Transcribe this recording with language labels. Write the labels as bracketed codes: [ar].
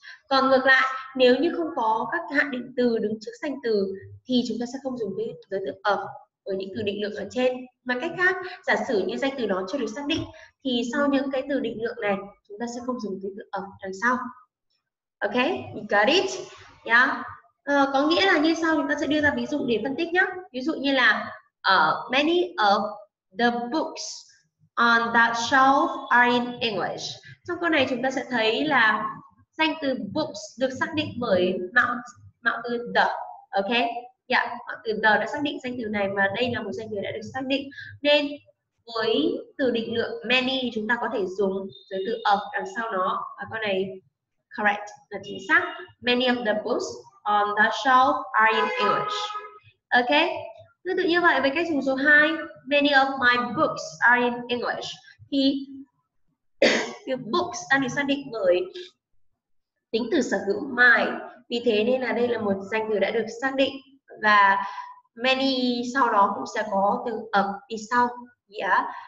[vi] Còn ngược lại, nếu như không có các hạn định từ đứng trước danh từ thì chúng ta sẽ không dùng cái giới từ of ở những từ định lượng ở trên. Mà cách khác, giả sử như danh từ đó chưa được xác định thì sau những cái từ định lượng này chúng ta sẽ không dùng giới từ of đằng sau. [en] Ok, you got it? Yeah. [vi] Có nghĩa là như sau, chúng ta sẽ đưa ra ví dụ để phân tích nhé. Ví dụ như là [en] many of the books on that shelf are in English. [vi] Trong câu này chúng ta sẽ thấy là danh từ books được xác định bởi mạo từ the. Ok, yeah, mạo từ the đã xác định danh từ này và đây là một danh từ đã được xác định. Nên với từ định lượng many chúng ta có thể dùng giới từ of đằng sau nó. Và câu này correct, là chính xác. [en] Many of the books on the shelf are in English. [vi] Ok, tương tự như vậy với cách dùng số 2, [en] many of my books are in English. [vi] Thì cái books đang được xác định bởi tính từ sở hữu my. Vì thế nên là đây là một danh từ đã được xác định và many sau đó cũng sẽ có từ of đi sau. Yeah.